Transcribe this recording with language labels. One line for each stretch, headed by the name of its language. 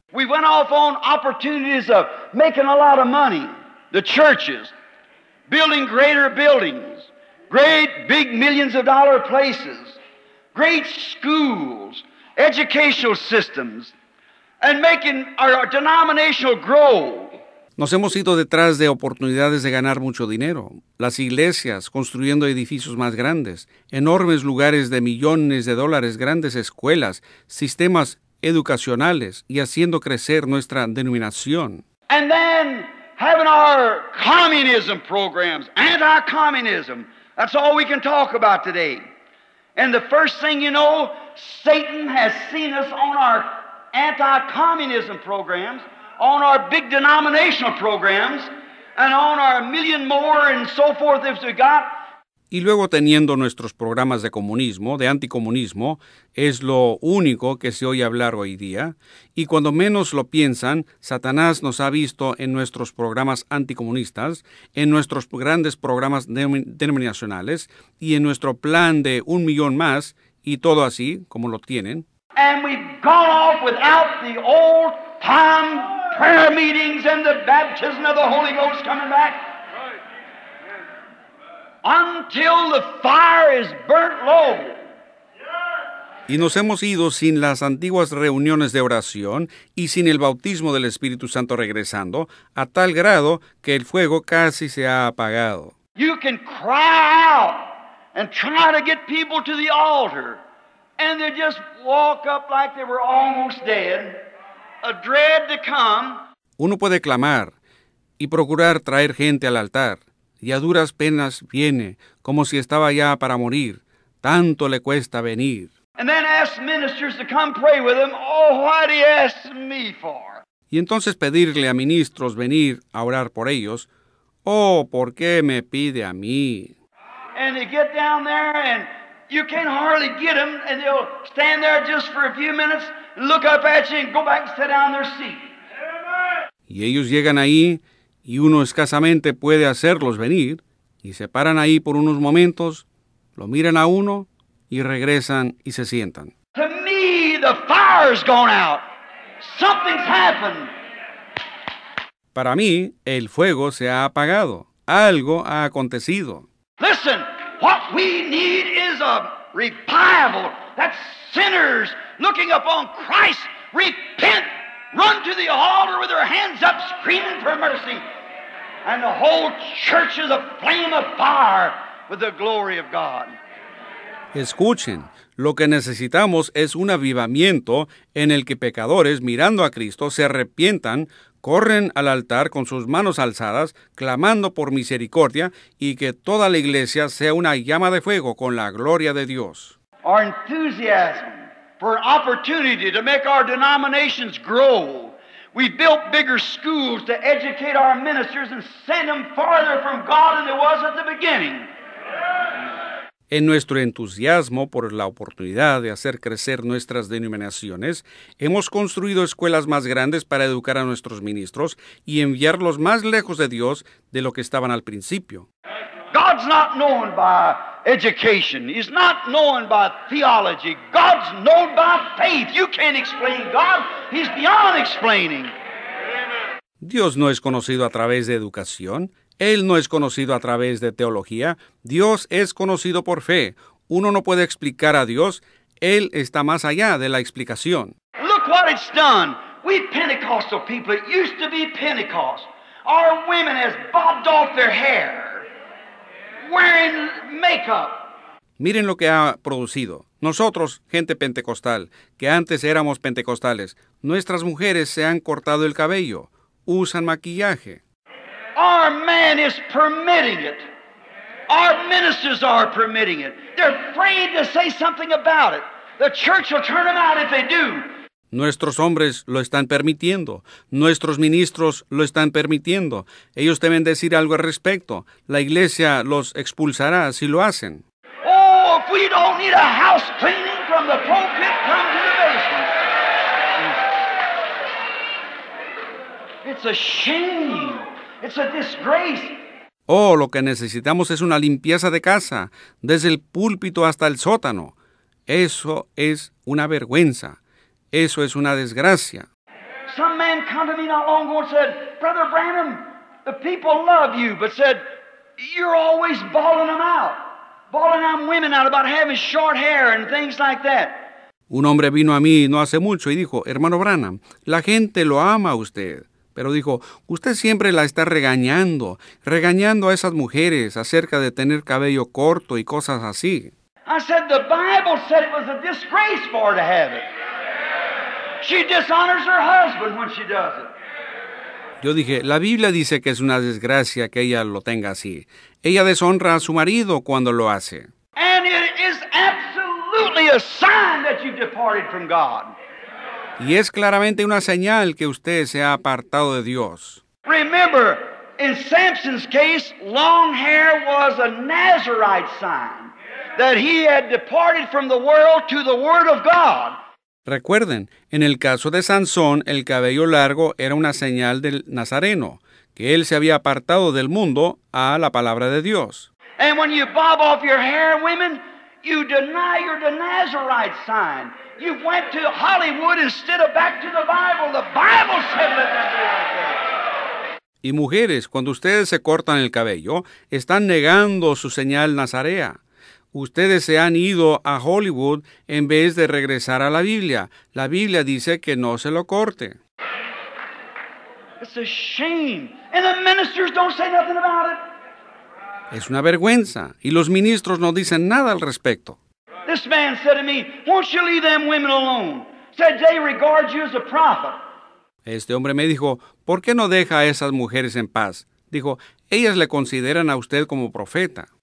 English: We went off on opportunities of making a lot of money, the churches. Building greater buildings, great big millions of dollar places, great schools, educational systems, and making our denominational grow.
Spanish: Nos hemos ido detrás de oportunidades de ganar mucho dinero. Las iglesias construyendo edificios más grandes, enormes lugares de millones de dólares, grandes escuelas, sistemas educacionales y haciendo crecer nuestra denominación.
English: And then having our communism programs, anti-communism, that's all we can talk about today. And the first thing you know, Satan has seen us on our anti-communism programs, on our big denominational programs, and on our million more and so forth as we got.
Spanish: Y luego teniendo nuestros programas de comunismo, de anticomunismo, es lo único que se oye hablar hoy día. Y cuando menos lo piensan, Satanás nos ha visto en nuestros programas anticomunistas, en nuestros grandes programas denominacionales y en nuestro plan de un millón más y todo así como lo tienen.
English: And we've gone off without the old time prayer meetings and the baptism of the Holy Ghost coming back. Until the fire is burnt low.
Spanish: Y nos hemos ido sin las antiguas reuniones de oración y sin el bautismo del Espíritu Santo regresando, a tal grado que el fuego casi se ha apagado.
English: You can cry out and try to get people to the altar, and they just walk up like they were almost dead, a dread to come.
Spanish: Uno puede clamar y procurar traer gente al altar. Y a duras penas viene, como si estaba ya para morir. Tanto le cuesta venir.
English: And then ask ministers to come pray with him. Oh, what do you ask me for?
Spanish: Y entonces pedirle a ministros venir a orar por ellos. Oh, ¿por qué me pide a mí?
English: And they get down there and you can't hardly get them. And they'll stand there just for a few minutes, look up at you and go back and sit down in their seat.
Spanish: Y ellos llegan ahí. Y uno escasamente puede hacerlos venir, y se paran ahí por unos momentos, lo miran a uno, y regresan y se sientan.
English: To me, the fire's gone out. Something's happened.
Spanish: Para mí, el fuego se ha apagado. Algo ha acontecido.
English: Listen, what we need is a revival. That's sinners looking upon Christ. Repent. Run to the altar with their hands up, screaming for mercy. And the whole church is a flame of fire with the glory of God.
Spanish: Escuchen, lo que necesitamos es un avivamiento en el que pecadores, mirando a Cristo, se arrepientan, corren al altar con sus manos alzadas, clamando por misericordia, y que toda la iglesia sea una llama de fuego con la gloria de Dios.
English: Our enthusiasm for an opportunity to make our denominations grow. We built bigger schools to educate our ministers and send them farther from God than there was at the beginning.
Spanish: En nuestro entusiasmo por la oportunidad de hacer crecer nuestras denominaciones, hemos construido escuelas más grandes para educar a nuestros ministros y enviarlos más lejos de Dios de lo que estaban al principio.
English: God's not known by education. He's not known by theology. God's known by faith. You can't explain God. He's beyond explaining.
Spanish: Dios no es conocido a través de educación. Él no es conocido a través de teología. Dios es conocido por fe. Uno no puede explicar a Dios. Él está más allá de la explicación.
English: Look what it's done. We Pentecostal people, it used to be Pentecost. Our women has bobbed off their hair. Wearing makeup.
Spanish: Miren lo que ha producido. Nosotros, gente pentecostal, que antes éramos pentecostales, nuestras mujeres se han cortado el cabello. Usan maquillaje.
English: Our man is permitting it. Our ministers are permitting it. They're afraid to say something about it. The church will turn them out if they do.
Spanish: Nuestros hombres lo están permitiendo. Nuestros ministros lo están permitiendo. Ellos deben decir algo al respecto. La iglesia los expulsará si lo hacen.
English: Oh, if we don't need a house cleaning from the pulpit, come to the basement. It's a shame. It's a disgrace.
Spanish: Oh, lo que necesitamos es una limpieza de casa, desde el púlpito hasta el sótano. Eso es una vergüenza. Eso es una desgracia.
English: Some man came to me not long ago and said, Brother Branham, the people love you, but said, you're always bawling them out. Bawling them women out about having short hair and things like that.
Spanish: Un hombre vino a mí no hace mucho y dijo, Hermano Branham, la gente lo ama a usted. Pero dijo, usted siempre la está regañando a esas mujeres acerca de tener cabello corto y cosas así.
English: I said, the Bible said it was a disgrace for her to have it. She dishonors her husband when she does it.
Spanish: Yo dije, la Biblia dice que es una desgracia que ella lo tenga así. Ella deshonra a su marido cuando lo hace.
English: And it is absolutely a sign that you've departed from God.
Spanish: Y es claramente una señal que usted se ha apartado de Dios.
English: Remember, in Samson's case, long hair was a Nazarite sign that he had departed from the world to the Word of God.
Spanish: Recuerden, en el caso de Sansón, el cabello largo era una señal del Nazareno, que él se había apartado del mundo a la palabra de Dios.
English: And when you bob off your hair, women, you deny your Nazarite sign. You went to Hollywood instead of back to the Bible. The Bible said let them be like that.
Spanish: Y mujeres, cuando ustedes se cortan el cabello, están negando su señal nazarea. Ustedes se han ido a Hollywood en vez de regresar a la Biblia. La Biblia dice que no se lo corte.
English: It's a shame. And the ministers don't say nothing about it.
Spanish: Es una vergüenza. Y los ministros no dicen nada al respecto.
English: This man said to me, won't you leave them women alone? Said they regard you as a prophet.
Spanish: Este hombre me dijo, ¿por qué no deja a esas mujeres en paz? Dijo, ellas le consideran a usted como profeta.